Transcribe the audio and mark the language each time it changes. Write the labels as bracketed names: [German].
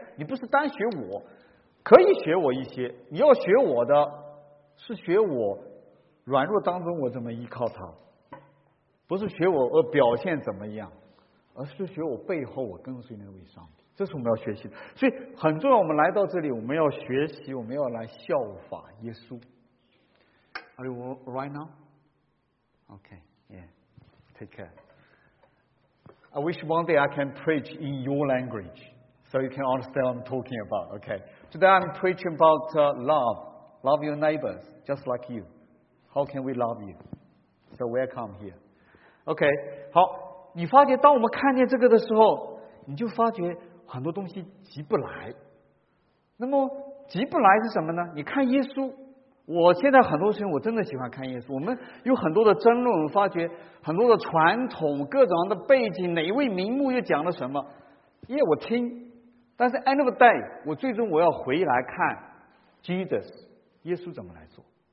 [Chinese] 你不是单学我，可以学我一些，你要学我的，是学我软弱当中我怎么依靠他，不是学我而表现怎么样，而是学我背后我跟随那位上帝，这是我们要学习的。所以很重要，我们来到这里，我们要学习，我们要来效法耶稣。 [English] Are you right now? Okay, yeah. Take care. I wish one day I can preach in your language so you can understand what I'm talking about, okay? Today I'm preaching about love. Love your neighbors, just like you. How can we love you? So welcome here. Okay, [Chinese] 好，你发觉当我们看见这个的时候，你就发觉很多东西急不来。那么急不来是什么呢？你看耶稣，我现在很多时候我真的喜欢看耶稣，我们有很多的争论，发觉很多的传统，各种的背景，哪一位名目又讲了什么，因为我听，但是 [English] end of day [Chinese] 我最终我要回来看 Jesus 耶稣怎么来做。